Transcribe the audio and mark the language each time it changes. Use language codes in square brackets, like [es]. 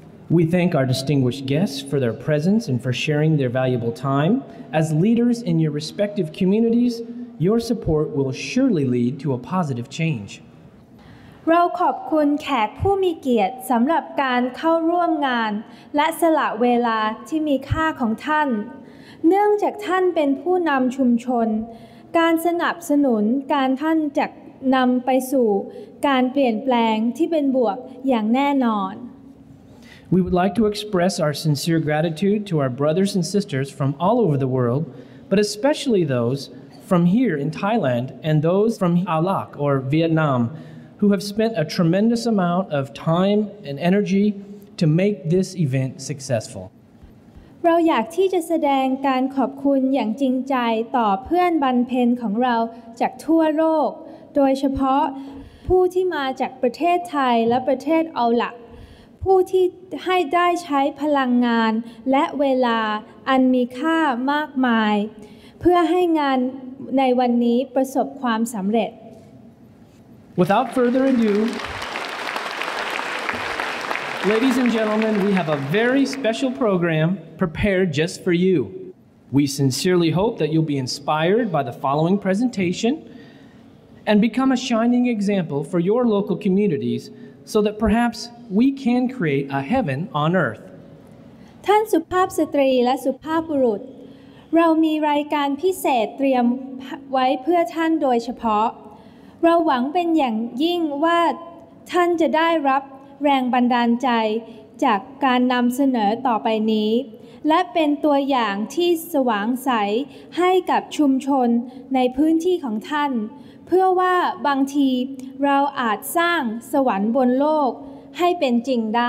[en] We thank our distinguished guests for their presence and for sharing their valuable time. As leaders in your respective communities, your support will surely lead to a positive change. [th] เราขอบคุณแขกผู้มีเกียรติสำหรับการเข้าร่วมงานและสละเวลาที่มีค่าของท่านเนื่องจากท่านเป็นผู้นำชุมชนการสนับสนุนการท่านจะนำไปสู่การเปลี่ยนแปลงที่เป็นบวกอย่างแน่นอน [en] We would like to express our sincere gratitude to our brothers and sisters from all over the world, but especially those from here in Thailand and those from Lao or Vietnam who have spent a tremendous amount of time and energy to make this event successful. [th] เราอยากที่จะแสดงการขอบคุณอย่างจริงใจต่อเพื่อนบรรเพ็ญของเราจากทั่วโลกโดยเฉพาะผู้ที่มาจากประเทศไทยและประเทศอัลลักผู้ที่ให้ได้ใช้พลังงานและเวลาอันมีค่ามากมายเพื่อให้งานในวันนี้ประสบความสำเร็จ [en] Without further adoLadies and gentlemen, we have a very special program prepared just for you. We sincerely hope that you'll be inspired by the following presentation and become a shining example for your local communities so that perhaps we can create a heaven on earth. [th] ท่านสุภาพสตรีและสุภาพบุรุษเรามีรายการพิเศษเตรียมไว้เพื่อท่านโดยเฉพาะเราหวังเป็นอย่างยิ่งว่าท่านจะได้รับแรงบันดาลใจจากการนำเสนอต่อไปนี้และเป็นตัวอย่างที่สว่างใสให้กับชุมชนในพื้นที่ของท่านเพื่อว่าบางทีเราอาจสร้างสวรรค์บนโลกให้เป็นจริงได